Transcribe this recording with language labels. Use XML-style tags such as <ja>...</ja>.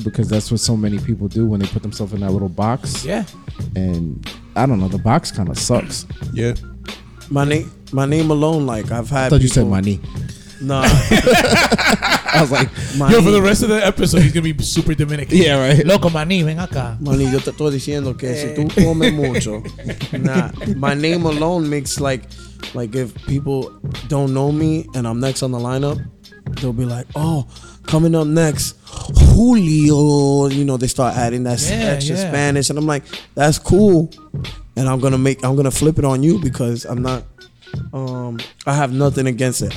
<en>Because that's what so many people do when they put themselves in that little box. Yeah. And I don't know, the box kind of sucks. Yeah. My name alone, like, I've had, I thought people, you said money. Nah. I was like, money. Yo, for the rest of the episode, he's gonna be super Dominican. Yeah, right.</en> <es>Loco, money, ven acá. Money, yo te estoy diciendo que si tú comes mucho.</es> <en>Nah, my name alone makes like if people don't know me and I'm next on the lineup, they'll be like, oh, coming up next, Julio. You know, they start adding that extra Spanish, and I'm like, that's cool. And I'm gonna flip it on you, because I'm not. I have nothing against it.</en>